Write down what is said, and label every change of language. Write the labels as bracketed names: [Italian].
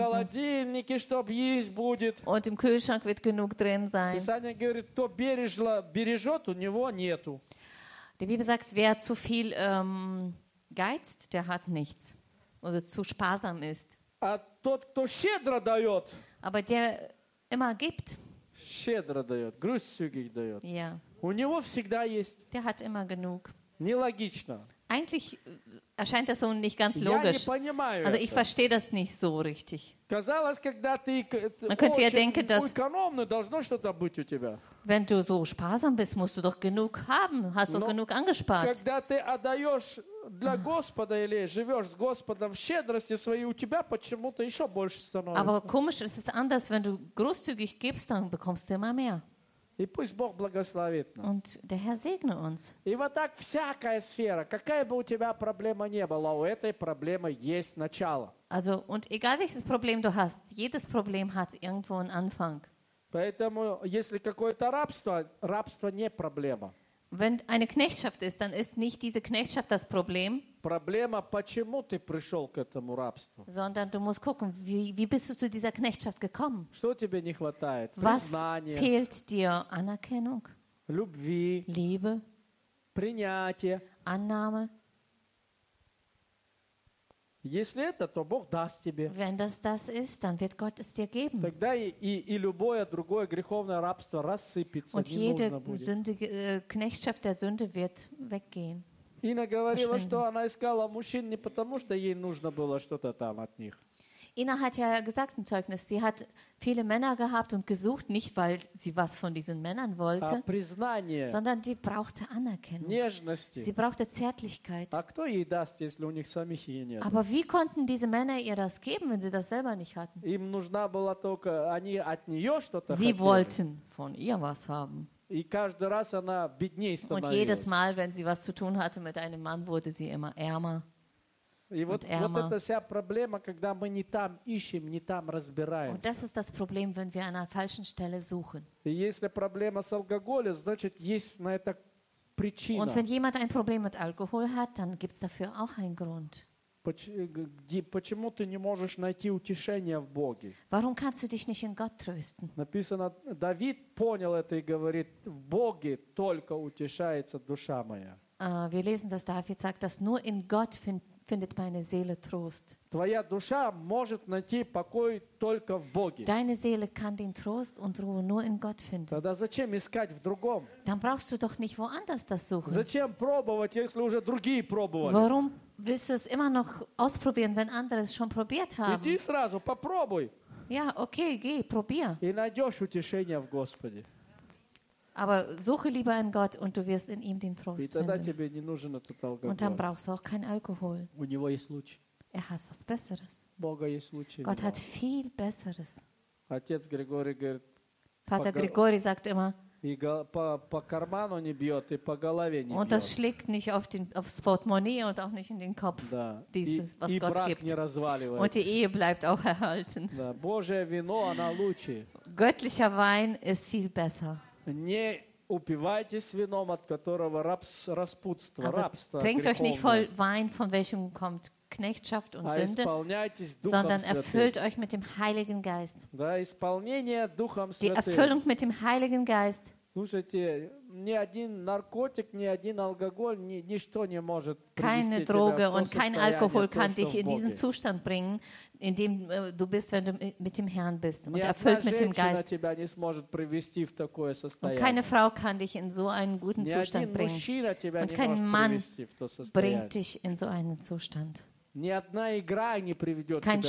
[Russian] И холодильники, чтоб есть будет. [German] Und im Kühlschrank wird genug drin sein. [Russian] Писание говорит, кто бережет, у него нету. [German] Die Bibel sagt, wer zu viel geizt, der hat nichts. Oder zu sparsam ist. [Russian] А тот, кто щедро дает. [German] Aber der immer gibt. [Russian] Щедро дает, [German] großzügig [Russian] дает. [German] Ja. [Russian] У него всегда есть. [German] Der hat immer genug. [Russian] Нелогично. [German] Eigentlich erscheint das so nicht ganz logisch. [Russian] Я не понимаю. [German] Also ich verstehe das nicht so richtig. [Russian] Казалось, когда ты [German] Man könnte ja denken, dass [Russian] экономно должно что-то быть у тебя. [German] Wenn du so sparsam bist, musst du doch genug haben, hast doch genug angespart. [Russian] Когда ты отдаешь для Господа или живешь с Господом в щедрости своей, у тебя почему-то еще больше становится. [German] Aber komisch, es ist anders, wenn du großzügig gibst, dann bekommst du immer mehr. [Russian] И пусть Бог благословит нас. [German] Und der Herr segne uns. [Russian] И вот так всякая сфера, какая бы у тебя проблема ни была, у этой проблемы есть начало. [German] Also, und egal welches Problem du hast, jedes Problem hat irgendwo einen Anfang. [Russian] Поэтому, если какое-то рабство, рабство не проблема. [German] Wenn eine Knechtschaft ist, dann ist nicht diese Knechtschaft das Problem. [Russian] Проблема, почему ты пришел к этому рабству. [German] Sondern du musst gucken, wie bist du zu dieser Knechtschaft gekommen? [Russian] Что тебе не хватает? [German] Was [Russian] Признание. [German] Fehlt dir? Anerkennung. [Russian] Любви. [German] Liebe. [Russian] Принятие. [German] Annahme. [Russian] Если это, то Бог даст тебе. [German] Wenn das ist, dann wird Gott es dir geben. [Russian] Тогда и любое другое греховное рабство рассыпется. [German] Und jede Knechtschaft der Sünde wird weggehen. [Russian] Инна говорила, что она искала мужчин не потому, что ей нужно было что-то там от них. [German] Инна hat ja gesagt im Zeugnis, sie hat viele Männer gehabt und gesucht, nicht weil sie was von diesen Männern wollte, [Russian] признание, [German] sondern sie brauchte Anerkennung. [Russian] Нежности. [German] Sie brauchte Zärtlichkeit. [Russian] А кто ей даст, если у них самих ее нет? [German] Aber wie konnten diese Männer ihr das geben, wenn sie das selber nicht hatten? [Russian] Им нужна была только, они от нее что-то хотели. [German] Sie wollten von ihr was haben. [Russian] И каждый раз она беднее становилась. [German] Und jedes Mal, wenn sie was zu tun hatte mit einem Mann, wurde sie immer ärmer. [Russian] И вот, вот это вся проблема, когда мы не там ищем, не там разбираем. [German] Und das ist das Problem, wenn wir an einer falschen Stelle suchen. [Russian] И если проблема с алкоголем, значит, есть на это причина. [German] Und wenn jemand ein Problem mit Alkohol hat, dann gibt es dafür auch einen Grund. [Russian] Почему ты не можешь найти утешение в Боге? [German] Warum kannst du dich nicht in Gott trösten? [Russian] Написано, Давид понял это и говорит: «В Боге только утешается душа моя». [German] Wir lesen, dass David sagt, dass nur in Gott findet meine Seele Trost. [Russian] Твоя душа может найти покой только в Боге. [German] Deine Seele kann den Trost und Ruhe nur in Gott finden. [Russian] Тогда зачем искать в другом? [German] Dann brauchst du doch nicht woanders das suchen. [Russian] Зачем пробовать, если уже другие пробовали? [German] Warum willst du es immer noch ausprobieren, wenn andere es schon probiert haben? [Russian] Иди сразу, попробуй. [German] Ja, okay, geh, probier. [Russian] И найдешь утешение в Господе. [German] Aber suche lieber in Gott und du wirst in ihm den Trost finden. Und dann brauchst du auch kein Alkohol. [Russian] У него есть лучше. [German] Er hat was Besseres. [Russian] Бога есть лучше. [German] Gott hat viel Besseres. [Russian] Отец Григорий говорит. [German] Vater Григорий sagt immer. [Russian] И по карману не бьет и по голове не бьет. [German] Und das schlägt nicht aufs Portemonnaie und auch nicht in den Kopf. [Russian] Да. [German] Dieses, was Gott gibt. [Russian] не разваливается. [German] Und die Ehe bleibt auch erhalten. [Russian] Да. Божье вино оно лучше. [German] Göttlicher Wein ist viel besser. [Russian] Не упивайтесь вином, от которого распутство, [German] also, [Russian] рабство. [German] Trinkt euch nicht voll Wein, von welchem kommt Knechtschaft und Sünde, sondern erfüllt euch mit dem Heiligen Geist. [Russian] Да, исполнение Духом Святым. [German] Die Erfüllung mit dem Heiligen Geist. [Russian] Слушайте, ни один наркотик, ни один алкоголь, ничто не может привести [German] keine Droge und kein Alkohol kann dich in diesen Zustand bringen, in dem du bist, wenn du mit dem Herrn bist und erfüllt mit dem Geist. [Russian] Тебя не сможет привести в такое состояние. [German] Und keine Frau kann dich in so einen guten Zustand bringen. Und kein Mann bringt dich in so einen Zustand. [Russian] Ни одна игра не приведет тебя в это